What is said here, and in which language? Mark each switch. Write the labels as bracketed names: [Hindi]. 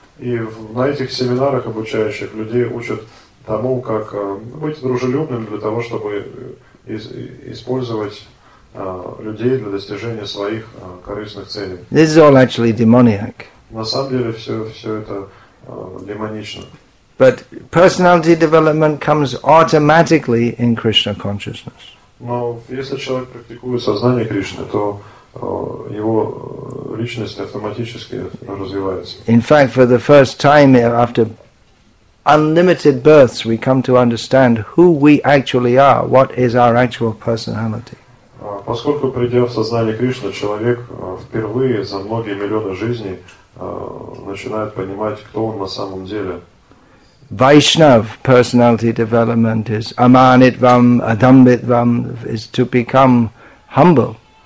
[Russian] И на этих семинарах обучающих людей учат тому, как быть дружелюбным для того, чтобы использовать людей для достижения своих корыстных целей. [English] This is all actually demoniac. [Russian] На самом деле все это демонично. [English] But personality development comes automatically in Krishna consciousness. [Russian] Но если человек практикует сознание Кришны, то его личность автоматически развивается. [English] In fact, for the first time after unlimited births, we come to understand who we actually are, what is our actual personality. [Russian] Поскольку придя в сознание Кришны, человек впервые за многие миллионы жизней начинает понимать, кто он на самом деле. [English] Vaishnav personality development is [Sanskrit] amanitvam, adambitvam, [English] is to become humble.